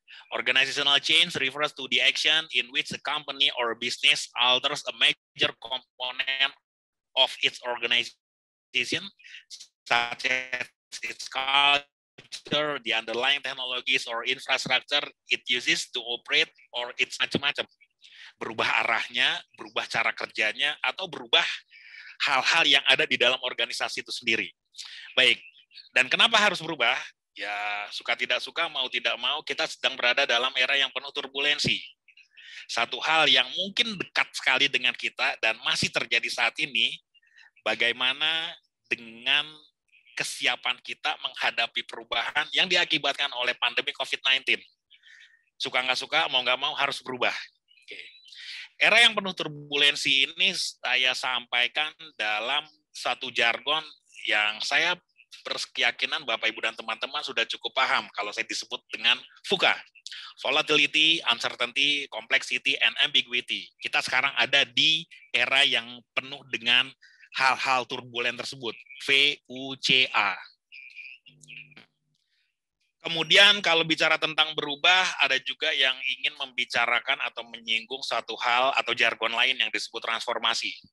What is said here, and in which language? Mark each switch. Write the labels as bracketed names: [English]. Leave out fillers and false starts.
[English] Organizational change refers to the action in which a company or a business alters a major component of its organization, such as its culture, the underlying technologies or infrastructure it uses to operate, or its [Indonesian] macam-macam. Berubah arahnya, berubah cara kerjanya, atau berubah hal-hal yang ada di dalam organisasi itu sendiri. Baik, dan kenapa harus berubah? Ya, suka tidak suka, mau tidak mau, kita sedang berada dalam era yang penuh turbulensi. Satu hal yang mungkin dekat sekali dengan kita dan masih terjadi saat ini, bagaimana dengan kesiapan kita menghadapi perubahan yang diakibatkan oleh pandemi COVID-19. Suka nggak suka, mau nggak mau harus berubah. Oke. Era yang penuh turbulensi ini saya sampaikan dalam satu jargon yang saya berkeyakinan Bapak, Ibu, dan teman-teman sudah cukup paham kalau saya disebut dengan VUCA. [English] Volatility, uncertainty, complexity, and ambiguity. [Indonesian] Kita sekarang ada di era yang penuh dengan hal-hal turbulen tersebut. VUCA. Kemudian kalau bicara tentang berubah, ada juga yang ingin membicarakan atau menyinggung satu hal atau jargon lain yang disebut transformasi.